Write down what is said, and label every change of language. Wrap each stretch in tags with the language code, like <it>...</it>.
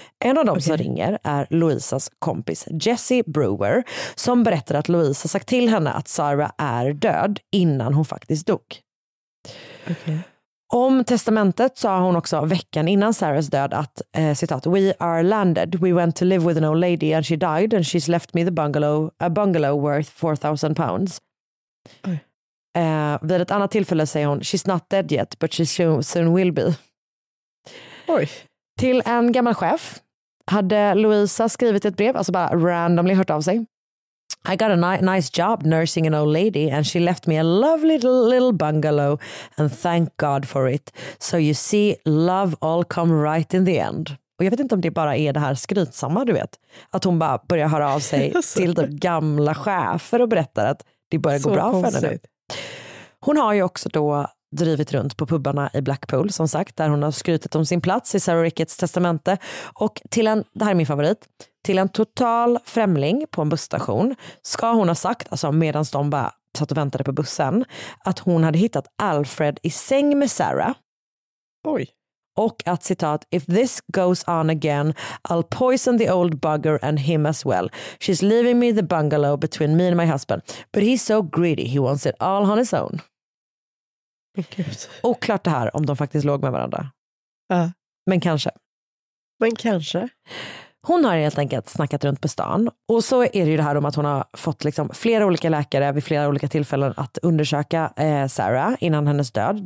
<sv>En av dem som ringer är Louisas kompis Jessie Brewer, som berättar att Louisa sagt till henne att Sarah är död innan hon faktiskt dog. Om testamentet sa hon också veckan innan Sarahs död att citat,</sv> <en>"We are landed. We went to live with an old lady and she died and she's left me the bungalow, a bungalow worth 4,000 pounds.</en> <sv>Vid ett annat tillfälle säger hon,</sv> <en>she's not dead yet but she soon will be.</en> <sv>Till en gammal chef hade Louisa skrivit ett brev, alltså bara randomly hört av sig.</sv> <en>I got a nice job nursing an old lady and she left me a lovely little bungalow and thank God for it. So you see, love all come right in the end.</en> <sv>Och jag vet inte om det bara är det här skrytsamma, du vet. Att hon bara börjar höra av sig till de gamla chefer och berättar att det börjar gå bra för henne nu. Hon har ju också då drivit runt på pubbarna i Blackpool, som sagt, där hon har skrytit om sin plats i Sarah Ricketts testamente. Och till en, det här är min favorit, till en total främling på en busstation ska hon ha sagt, alltså medan de bara satt och väntade på bussen, att hon hade hittat Alfred i säng med Sarah. Oj. Och att, citat,</sv> <en>if this goes on again, I'll poison the old bugger and him as well. She's leaving me the bungalow between me and my husband. But he's so greedy, he wants it all on his own.</en> <sv>Gud. Oklart det här om de faktiskt låg med varandra. Ja. Men kanske. Men kanske. Hon har helt enkelt snackat runt på stan. Och så är det ju det här om att hon har fått liksom flera olika läkare vid flera olika tillfällen att undersöka Sarah innan hennes död.</sv>